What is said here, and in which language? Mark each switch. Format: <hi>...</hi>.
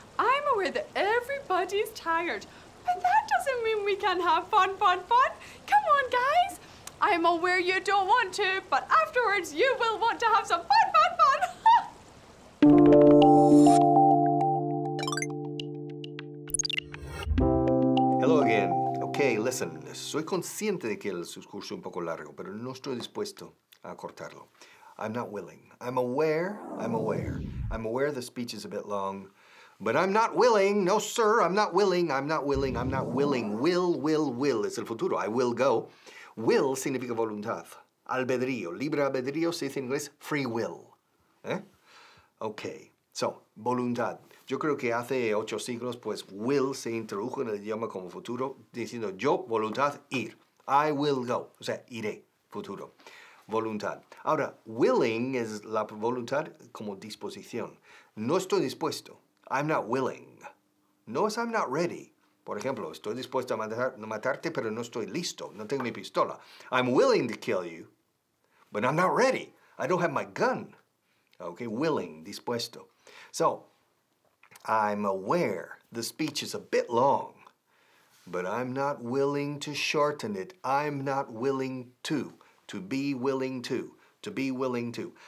<en>I'm aware that everybody's tired. But that doesn't mean we can have fun, fun, fun. Come on, guys. I'm aware you don't want to, but afterwards you will want to have some fun, fun, fun. Hello again. Okay, listen.</en> <es>Soy consciente de que el discurso es un poco largo, pero no estoy dispuesto a cortarlo.</es> <en>I'm not willing. I'm aware. I'm aware the speech is a bit long, but I'm not willing. No, sir, I'm not willing. Will</en> <es>es el futuro.</es> <en>I will go.</en> <es>Will significa voluntad. Albedrío, libre albedrío, se dice en inglés</es> <en>free will.</en> <es>¿Eh? Okay, so, voluntad. Yo creo que hace 8 siglos, pues, will se introdujo en el idioma como futuro, diciendo yo, voluntad, ir.</es> <en>I will go,</en> <es>o sea, iré, futuro. Voluntad. Ahora, willing es la voluntad como disposición. No estoy dispuesto.</es> <en>I'm not willing.</en> <es>No es</es> <en>I'm not ready.</en> <es>Por ejemplo, estoy dispuesto a matarte, pero no estoy listo. No tengo mi pistola.</es> <en>I'm willing to kill you, but I'm not ready. I don't have my gun. Okay, willing, dispuesto. So, I'm aware the speech is a bit long, but I'm not willing to shorten it. I'm not willing to be willing to.</en>